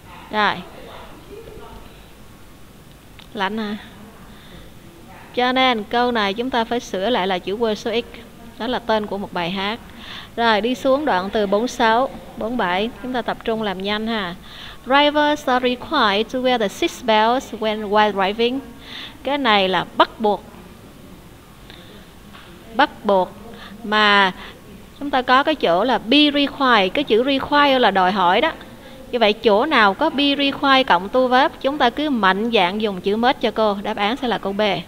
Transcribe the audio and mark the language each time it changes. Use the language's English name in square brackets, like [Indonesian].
[Vietnamese] Rồi. Lạnh à. Cho nên câu này chúng ta phải sửa lại là chữ word số x. Đó là tên của một bài hát. Rồi đi xuống đoạn từ 46, 47. Chúng ta tập trung làm nhanh ha. [English] Drivers are required to wear the seat belts when while driving. [Vietnamese] Cái này là bắt buộc. Bắt buộc. Mà Chúng ta có cái chỗ là be required, cái chữ require là đòi hỏi đó. Như vậy chỗ nào có be required cộng to verb, chúng ta cứ mạnh dạn dùng chữ must cho cô. Đáp án sẽ là câu B.